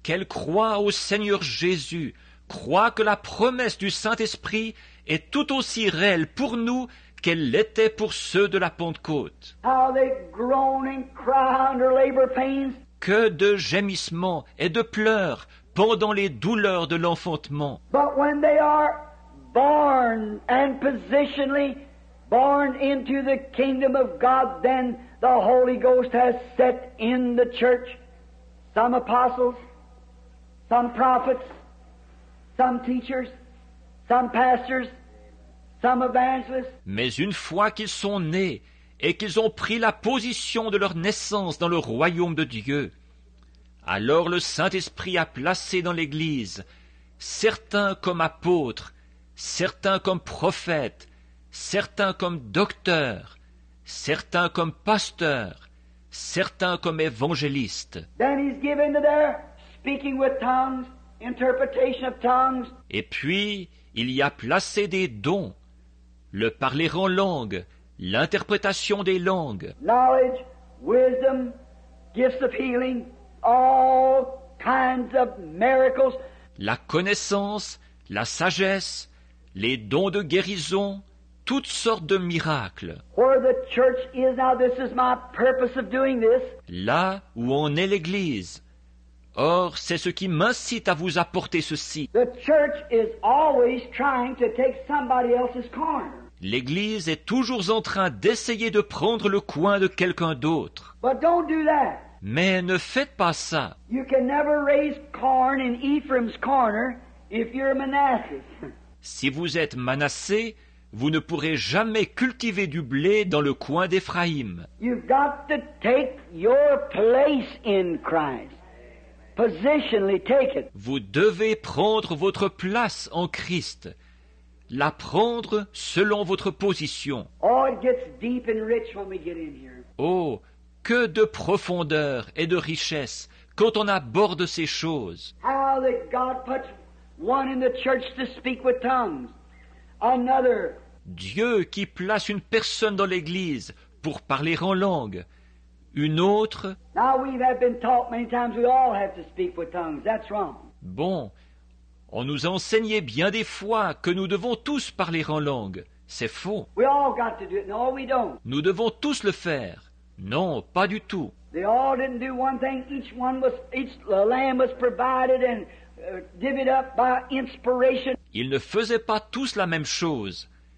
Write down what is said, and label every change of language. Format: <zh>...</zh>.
<fr>Qu'elle croit au Seigneur Jésus, croit que la promesse du Saint-Esprit est tout aussi réelle pour nous qu'elle l'était pour ceux de la Pentecôte.</fr> <en>How they groan and cry under labor pains.</en> <fr>Que de gémissements et de pleurs pendant les douleurs de l'enfantement.</fr> <en>But when they are born and positionally born into the kingdom of God, then the Holy Ghost has set in the church some apostles, some prophets, some teachers, some pastors, some evangelists.</en> <fr>Mais une fois qu'ils sont nés et qu'ils ont pris la position de leur naissance dans le royaume de Dieu, alors le Saint-Esprit a placé dans l'Église certains comme apôtres, certains comme prophètes, certains comme docteurs, certains comme pasteurs, certains comme évangélistes.</fr> <en>Then he's given to their speaking with tongues, interpretation of tongues.</en> <fr>Et puis, il y a placé des dons, le parler en langue, l'interprétation des langues,</fr> <en>knowledge, wisdom, gifts of healing, all kinds of miracles.</en> <fr>La connaissance, la sagesse, les dons de guérison, toutes sortes de miracles.</fr> <en>Where the church is now, this is my purpose of doing this.</en> <fr>Là où en est l'Église. Or, c'est ce qui m'incite à vous apporter ceci.</fr> <en>The church is always trying to take somebody else's corner.</en> <fr>L'Église est toujours en train d'essayer de prendre le coin de quelqu'un d'autre.</fr> <en>But don't do that.</en> <fr>Mais ne faites pas ça.</fr> <en>You can never raise corn in Ephraim's corner if you're Manasseh.</en> <fr>Si vous êtes Manassé, vous ne pourrez jamais cultiver du blé dans le coin d'Éphraïm.</fr> <en>You've got to take your place in Christ. Positionally take it.</en> <fr>Vous devez prendre votre place en Christ. La prendre selon votre position.</fr> <en>Oh, it gets deep and rich when we get in here.</en> <fr>Oh, que de profondeur et de richesse quand on aborde ces choses.</fr> <en>How that God puts one in the church to speak with tongues. Another.</en> <fr>Dieu qui place une personne dans l'église pour parler en langue, une autre.</fr> <en>Now we have been taught many times we all have to speak with tongues. That's wrong.</en> <fr>Bon, on nous a enseigné bien des fois que nous devons tous parler en langue. C'est faux.</fr> <en>We all got to do it. No, we don't.</en> <fr>Nous devons tous le faire. Non, pas du tout.</fr> <en>They all didn't do one thing. Each one was, each lamb was provided and divvied up by inspiration.</en> <fr>Ils ne faisaient pas tous la même chose.</fr>